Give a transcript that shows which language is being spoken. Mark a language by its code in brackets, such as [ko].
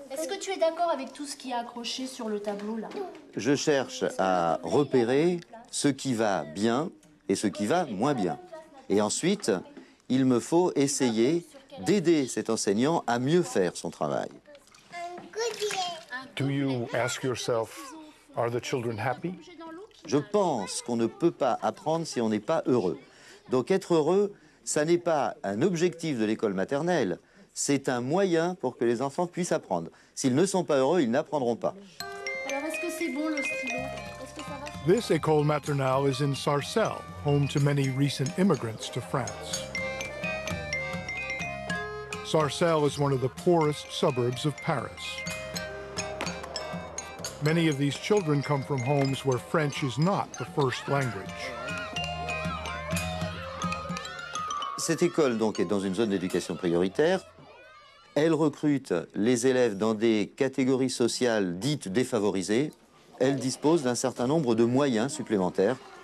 [fr] Est-ce que tu es d'accord avec tout ce qui est accroché sur le tableau là? Je cherche à repérer ce qui va bien et ce qui va moins bien. Et ensuite, il me faut essayer d'aider cet enseignant à mieux faire son travail. [en] Do you ask yourself, are the children happy? [fr] Je pense qu'on ne peut pas apprendre si on n'est pas heureux. Donc être heureux, ça n'est pas un objectif de l'école maternelle, c'est un moyen pour que les enfants puissent apprendre. S'ils ne sont pas heureux, ils n'apprendront pas. Alors est-ce que c'est bon le stylo? [en] This École Maternelle is in Sarcelles, home to many recent immigrants to France. Sarcelles is one of the poorest suburbs of Paris. Many of these children come from homes where French is not the first language. [fr] Cette école donc est dans une zone d'éducation prioritaire. Elle recrute les élèves dans des catégories sociales dites défavorisées. Elle dispose d'un certain nombre de moyens supplémentaires.